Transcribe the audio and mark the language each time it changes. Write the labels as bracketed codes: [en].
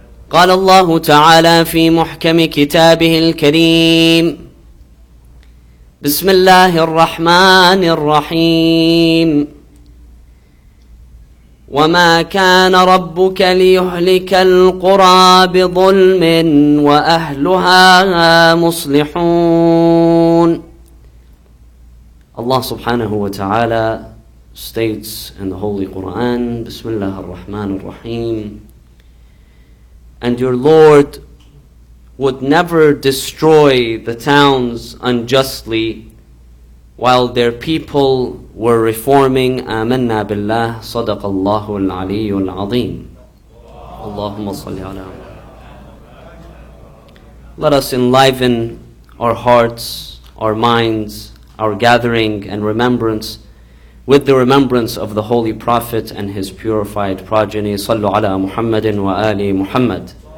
[ar] قال الله تعالى في محكم كتابه الكريم: بسم الله الرحمن الرحيم. وما كان ربك ليهلك القرى بظلم وأهلها مصلحون. الله سبحانه وتعالى [en] states in the Holy Quran, [ar] بسم الله الرحمن الرحيم, [en] and your Lord would never destroy the towns unjustly while their people were reforming. [ar] آمنا بالله صدق الله العلي العظيم. اللهم صل على. [en] Let us enliven our hearts, our minds, our gathering and remembrance with the remembrance of the Holy Prophet and his purified progeny. [ar] صلوا على محمد وآل محمد.